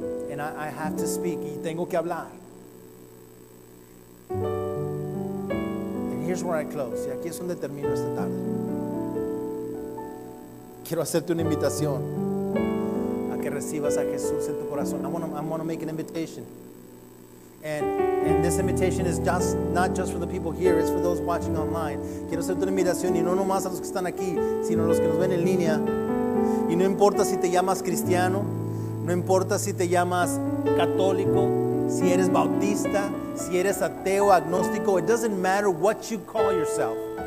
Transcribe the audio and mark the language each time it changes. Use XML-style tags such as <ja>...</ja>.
<en>And I have to speak.</en> <es>Y tengo que hablar.</es> <en>And here's where I close.</en> <es>Y aquí es donde termino esta tarde. Quiero hacerte una invitación a que recibas a Jesús en tu corazón.</es> <en>I'm gonna make an invitation. And this invitation is just not just for the people here, it's for those watching online.</en> <es>Quiero hacerte una invitación y no nomás a los que están aquí, sino a los que nos ven en línea. Y no importa si te llamas cristiano, no importa si te llamas católico, si eres bautista, si eres ateo, agnóstico,</es> <en>it doesn't matter what you call yourself.</en>